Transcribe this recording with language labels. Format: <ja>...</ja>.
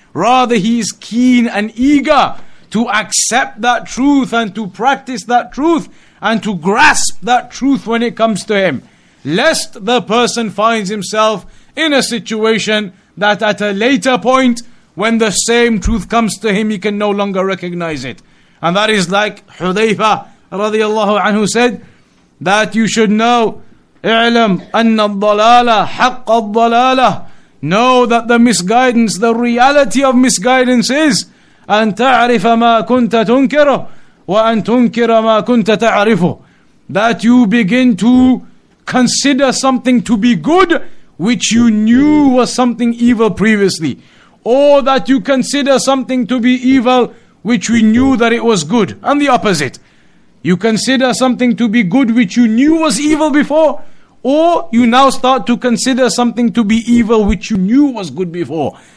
<en>Rather, he is keen and eager to accept that truth and to practice that truth and to grasp that truth when it comes to him, lest the person finds himself in a situation that at a later point, when the same truth comes to him, he can no longer recognize it. And that is like Hudhayfa radiallahu anhu said, that you should know,</en> <ar>اعلم أن الضلالة حق الضلالة.</ar> <en>Know that the misguidance, the reality of misguidance is</en> <ar>أن تعرف ما كنت تنكره وأن تنكر ما كنت تعرفه.</ar> <en>That you begin to consider something to be good which you knew was something evil previously, or that you consider something to be evil which we knew that it was good, and the opposite. You consider something to be good which you knew was evil before, or you now start to consider something to be evil which you knew was good before.</en>